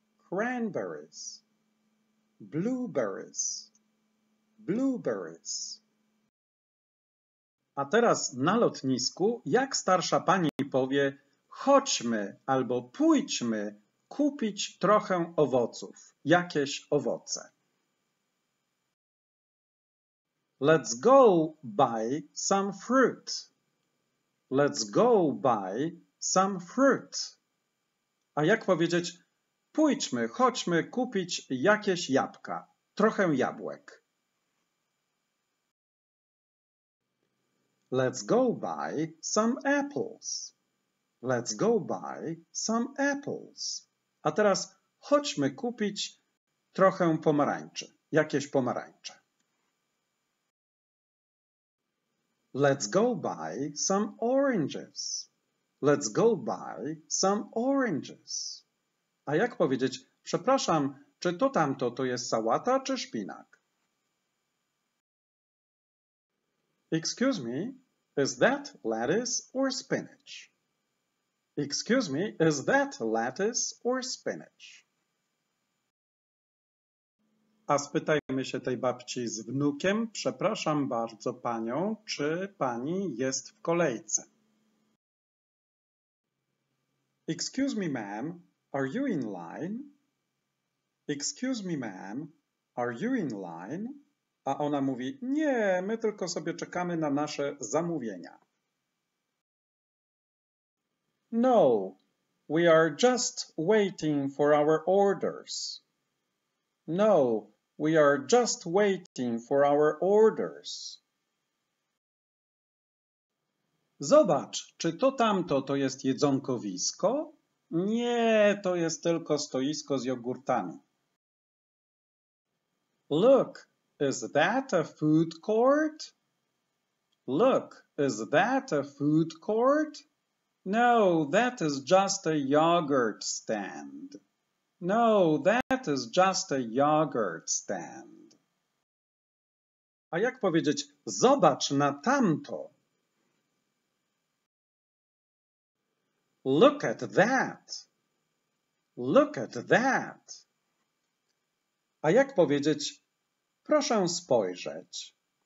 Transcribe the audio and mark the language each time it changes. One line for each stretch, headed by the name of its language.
English: Cranberries, blueberries, blueberries.
Polish: A teraz na lotnisku, jak starsza pani powie, chodźmy albo pójdźmy kupić trochę owoców, jakieś owoce.
English: Let's go buy some fruit. Let's go buy some fruit.
Polish: A jak powiedzieć? Pójdźmy, chodźmy kupić jakieś jabłka. trochę jabłek.
English: Let's go buy some apples. Let's go buy some apples.
Polish: A teraz chodźmy kupić trochę pomarańczy, jakieś pomarańcze.
English: Let's go buy some oranges. Let's go buy some oranges.
Polish: A jak powiedzieć, przepraszam, czy to tamto to jest sałata czy szpinak?
English: Excuse me, is that lettuce or spinach? Excuse me, is that lettuce or spinach?
Polish: A spytajmy się tej babci z wnukiem, przepraszam bardzo panią, czy pani jest w kolejce?
English: Excuse me, ma'am, are you in line? Excuse me, ma'am, are you in line?
Polish: A ona mówi, nie, my tylko sobie czekamy na nasze zamówienia.
English: No, we are just waiting for our orders. No, we are just waiting for our orders.
Polish: Zobacz, czy to tamto to jest jedzonkowisko? Nie, to jest tylko stoisko z jogurtami.
English: Look, is that a food court? Look, is that a food court? No, that is just a yogurt stand. No, that is just a yogurt stand.
Polish: A jak powiedzieć, zobacz na tamto?
English: Look at that. Look at that.
Polish: A jak powiedzieć, proszę spojrzeć?